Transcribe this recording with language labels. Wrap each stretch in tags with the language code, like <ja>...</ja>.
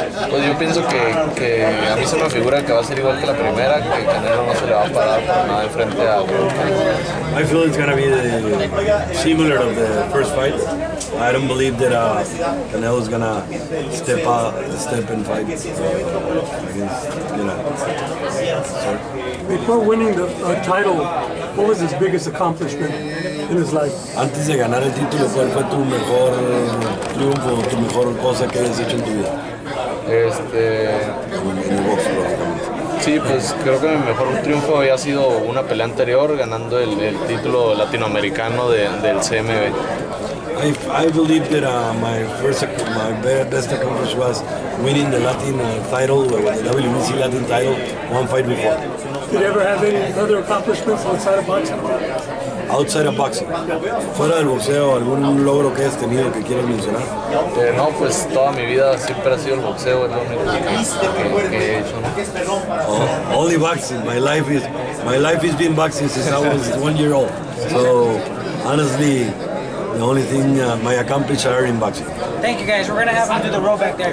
<es>Pues yo pienso que a mí se me figura que va a ser igual que la primera, que Canelo no se le va a parar por nada de frente a Golovkin.</es> <en>I feel it's gonna be similar to the first fight. I don't believe that Canelo is gonna step and fight against, you know. Before winning the title, what was his biggest accomplishment in his life?</en> <es>Antes de ganar el título, ¿cuál fue tu mejor triunfo, tu mejor cosa que hayas hecho en tu vida? En el boxeo, básicamente. Sí, pues creo que mi mejor triunfo había sido una pelea anterior, ganando el título latinoamericano del CMB.</es> <en>I believe that my best accomplishment was winning the Latin title, the WBC Latin title, one fight before. Did you ever have any other accomplishments outside of boxing? Outside of boxing.</en> <es>Fuera del boxeo, ¿algún logro que has tenido que quieras mencionar? No, pues toda mi vida siempre ha sido el boxeo, es lo único que he hecho, ¿no?</es> <en>Oh, only boxing. My life has been boxing since I was 1 year old. So, honestly, the only thing, my accomplishments are in boxing. Thank you, guys. We're going to have him do the row back there.</en>